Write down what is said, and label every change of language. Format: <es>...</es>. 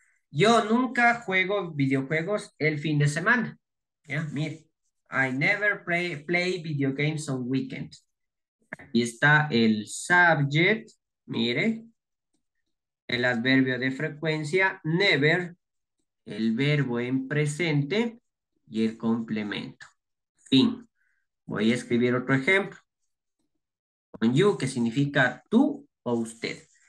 <es>Yo nunca juego videojuegos el fin de semana. Ya, mire.</es> <en>I never play video games on weekend.</en> <es>Aquí está el subject. Mire. El adverbio de frecuencia. Never. El verbo en presente. Y el complemento. Fin. Voy a escribir otro ejemplo. Con you, que significa tú o usted.</es>